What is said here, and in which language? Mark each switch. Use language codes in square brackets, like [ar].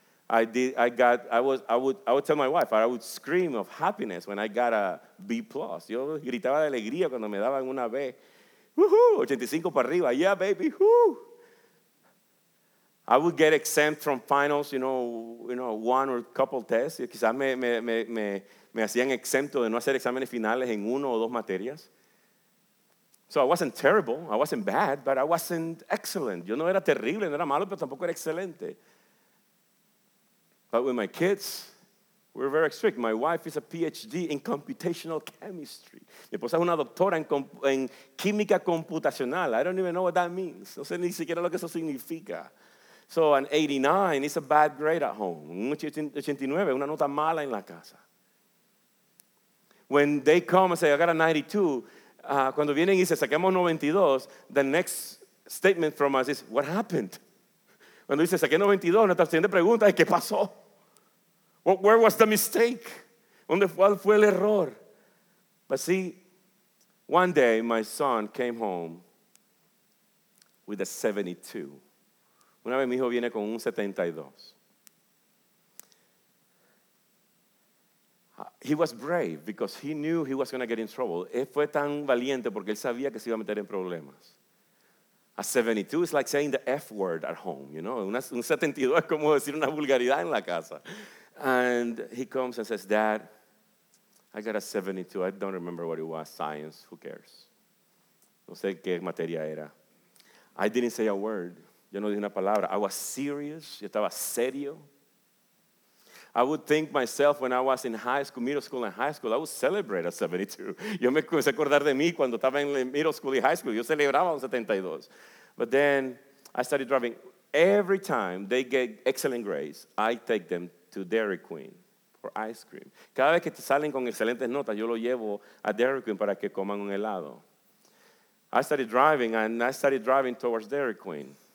[en] I would tell my wife, I would scream of happiness when I got a B+. [es] Yo gritaba de alegría cuando me daban una B. [en] Woohoo, [es] 85 para arriba. [en] Yeah, baby. Woo. I would get exempt from finals, you know, one or a couple tests. [es] Y quizás me hacían exento de no hacer exámenes finales en uno o dos materias. [en] So I wasn't terrible, I wasn't bad, but I wasn't excellent. [es] Yo no era terrible, no era malo, pero tampoco era excelente. [en] But with my kids, we're very strict. My wife is a PhD in computational chemistry. [es] Mi esposa es una doctora en química computacional. [en] I don't even know what that means. [es] No sé ni siquiera lo que eso significa. [en] So an 89 is a bad grade at home. [es] Un 89, una nota mala en la casa. [en] When they come and say, I got a 92, [es] cuando vienen y dicen, saquemos 92, [en] the next statement from us is, what happened? [es] Cuando dice, saqué 92, nuestra siguiente pregunta es, ¿qué pasó? [en] Where was the mistake? [es] ¿Dónde fue el error? [en] But see, one day my son came home with a 72. [es] Una vez mi hijo viene con un 72. [en] He was brave because he knew he was going to get in trouble. [es] Él fue tan valiente porque él sabía que se iba a meter en problemas. [en] A 72 is like saying the F word at home, you know. [es] Un 72 es como decir una vulgaridad en la casa. [en] And he comes and says, Dad, I got a 72. I don't remember what it was. Science, who cares? [es] No sé qué materia era. [en] I didn't say a word. [es] Yo no dije una palabra. [en] I was serious. [es] Yo estaba serio. [en] I would think myself when I was in high school, middle school and high school, I would celebrate a 72. [es] Yo me comencé a acordar de mí cuando estaba en middle school y high school. Yo celebraba un 72. [en] But then I started driving. Every time they get excellent grades, I take them to Dairy Queen for ice cream. [es] Cada vez que salen con excelentes notas, yo lo llevo a Dairy Queen para que coman un helado. [en] I started driving and I started driving towards Dairy Queen.